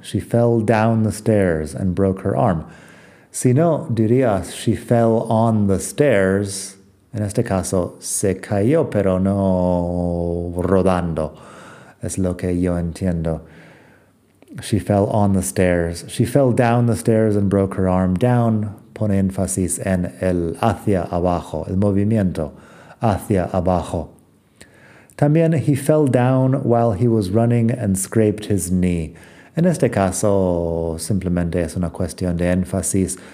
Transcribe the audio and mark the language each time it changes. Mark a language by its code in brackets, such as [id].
[en] She fell down the stairs and broke her arm. [es] Si no, dirías, [en] she fell on the stairs. [es] En este caso, se cayó, pero no rodando. Es lo que yo entiendo. [en] She fell on the stairs. She fell down the stairs and broke her arm. [es] Down pone énfasis en el hacia abajo, el movimiento hacia abajo. [en] También, he fell down while he was running and scraped his knee. [es] En este caso, simplemente es una cuestión de énfasis.